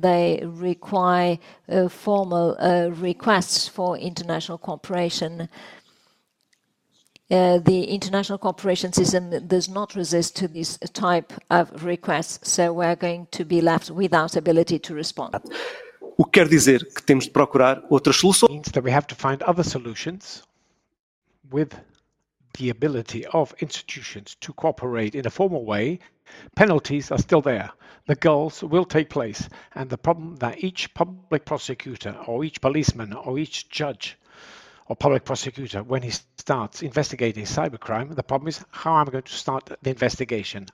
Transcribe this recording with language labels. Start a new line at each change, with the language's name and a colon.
English: They require formal requests for international cooperation. The international cooperation system does not resist to this type of requests, so we're going to be left without ability to respond.
Portuguese: O que quer dizer que temos de procurar outras soluções.
English: Means that we have to find other solutions with the ability of institutions to cooperate in a formal way. Penalties are still there. The goals will take place. And the problem that each public prosecutor or each policeman or each judge or public prosecutor, when he starts investigating cybercrime, the problem is how I'm going to start the investigation.